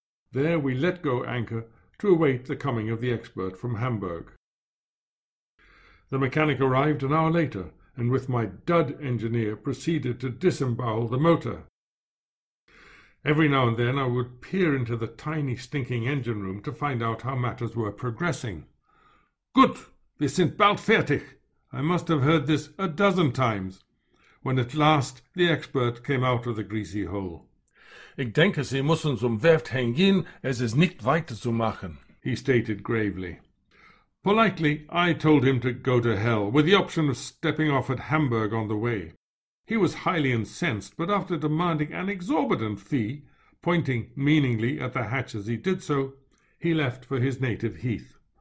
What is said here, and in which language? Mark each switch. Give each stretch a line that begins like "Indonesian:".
English: There we let go anchor to await the coming of the expert from Hamburg. The mechanic arrived an hour later, and with my dud engineer proceeded to disembowel the motor. Every now and then I would peer into the tiny stinking engine room to find out how matters were progressing.
German: "Gut, wir sind bald fertig."
English: I must have heard this a dozen times, when at last the expert came out of the greasy hole.
German: "Ich denke, Sie müssen zum Werft hingehen, es ist nicht weit zu machen,"
English: he stated gravely. Politely, I told him to go to hell, with the option of stepping off at Hamburg on the way. He was highly incensed, but after demanding an exorbitant fee, pointing meaningly at the hatch as he did so, he left for his native heath.